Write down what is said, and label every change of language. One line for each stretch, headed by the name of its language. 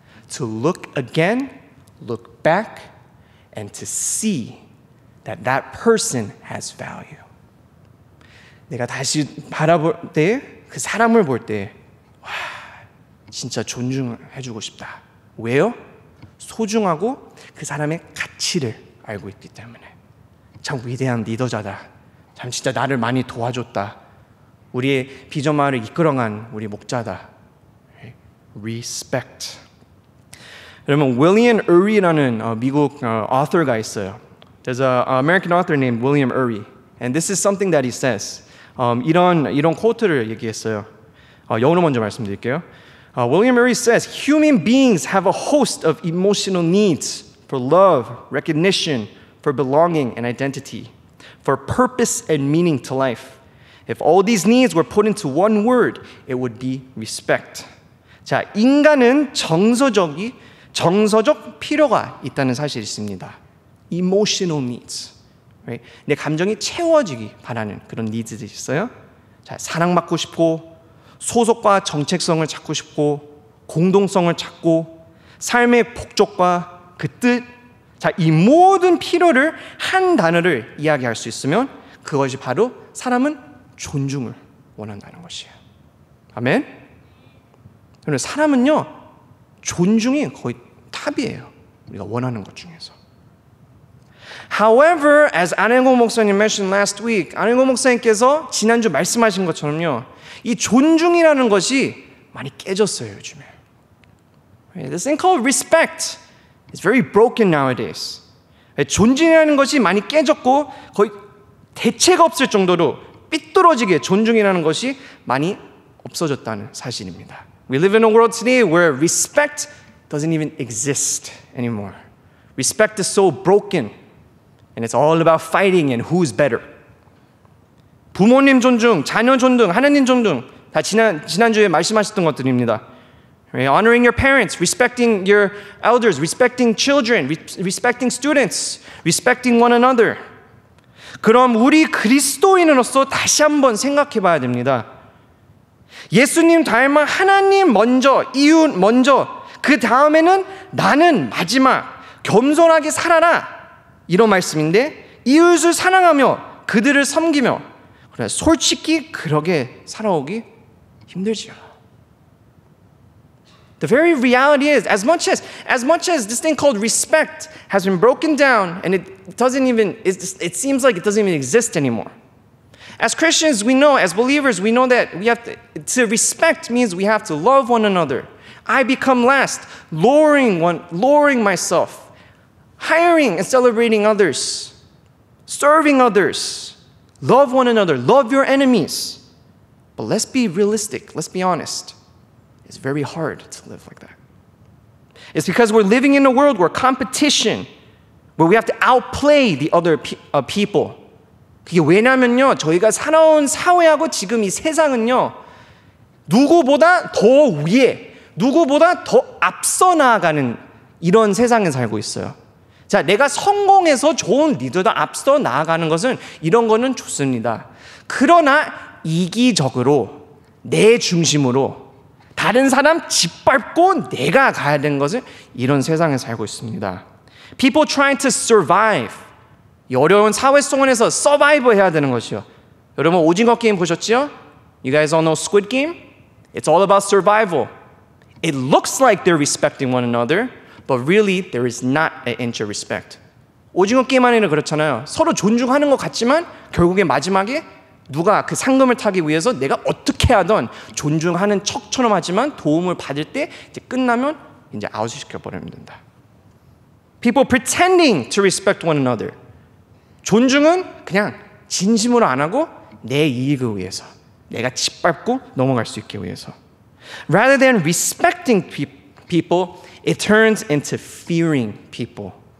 English: To look again, look back, and to see that that person has value.
Korean: 내가 다시 바라볼 때, 그 사람을 볼 때, 와, 진짜 존중해주고 싶다. 왜요? 소중하고 그 사람의 가치를 알고 있기 때문에. 참 위대한 리더자다. 참 진짜 나를 많이 도와줬다. 우리의 비전 마을을 이끌어간 우리 목자다. Respect. 여러분, William Ury라는 미국 author가 있어요.
English: There's an American author named William Ury. And this is something that he says.
Korean: 이런 quote를 얘기했어요. 영어로 먼저 말씀드릴게요.
English: William Ury says, human beings have a host of emotional needs for love, recognition, for belonging and identity, for purpose and meaning to life. If all these needs were put into one word, it would be respect.
Korean: 자, 인간은 정서적 필요가 있다는 사실이 있습니다.
English: Emotional needs. Right?
Korean: 내 감정이 채워지기 바라는 그런 needs 있어요. 자, 사랑받고 싶고, 소속과 정체성을 찾고 싶고 공동성을 찾고 삶의 복족과 그 뜻, 자, 이 모든 필요를 한 단어를 이야기할 수 있으면 그것이 바로 사람은 존중을 원한다는 것이에요. 아멘? 그런데 사람은요 존중이 거의 탑이에요. 우리가 원하는 것 중에서.
English: However, as
Korean: 안영호 목사님
English: mentioned last week,
Korean: 안영호 목사님께서 지난주 말씀하신 것처럼요, 이 존중이라는 것이 많이 깨졌어요, 요즘에.
English: This thing called respect is very broken nowadays.
Korean: 존중이라는 것이 많이 깨졌고 거의 대체가 없을 정도로 삐뚤어지게 존중이라는 것이 많이 없어졌다는 사실입니다.
English: We live in a world today where respect doesn't even exist anymore. Respect is so broken, and it's all about fighting and who's better.
Korean: 부모님 존중, 자녀 존중, 하나님 존중 다 지난주에 말씀하셨던 것들입니다.
English: Right? Honoring your parents, respecting your elders, respecting children, respecting students, respecting one another.
Korean: 그럼 우리 그리스도인으로서 다시 한번 생각해 봐야 됩니다. 예수님 닮아 하나님 먼저, 이웃 먼저, 그 다음에는 나는 마지막, 겸손하게 살아라 이런 말씀인데 이웃을 사랑하며 그들을 섬기며 그래 솔직히 그렇게 살아오기 힘들지요.
English: The very reality is as much as this thing called respect has been broken down and it seems like it doesn't even exist anymore. As Christians, we know, as believers, we know that we have to respect means we have to love one another. I become last, lowering myself, hiring and celebrating others, serving others, love one another, love your enemies. But let's be realistic, let's be honest. It's very hard to live like that. It's because we're living in a world where competition, where we have to outplay the other people.
Korean: 그게 왜냐면요, 저희가 살아온 사회하고 지금 이 세상은요, 누구보다 더 위에, 누구보다 더 앞서 나아가는 이런 세상에 살고 있어요. 자, 내가 성공해서 좋은 리더도 앞서 나아가는 것은 이런 거는 좋습니다. 그러나 이기적으로, 내 중심으로, 다른 사람 짓밟고 내가 가야 되는 것은 이런 세상에 살고 있습니다.
English: People trying to survive.
Korean: 이 어려운 사회 속에서 서바이벌 해야 되는 것이요. 여러분 오징어 게임 보셨죠?
English: You guys all know Squid Game? It's all about survival. It looks like they're respecting one another, but really there is not an inch of respect.
Korean: 오징어 게임 안에는 그렇잖아요. 서로 존중하는 것 같지만 결국에 마지막에 누가 그 상금을 타기 위해서 내가 어떻게 하든 존중하는 척처럼 하지만 도움을 받을 때 이제 끝나면 이제 아웃을 시켜버리면 된다.
English: People pretending to respect one another.
Korean: 존중은 그냥 진심으로 안 하고 내 이익을 위해서 내가 짓밟고 넘어갈 수 있게 위해서
English: Rather than respecting people, it turns into fearing people.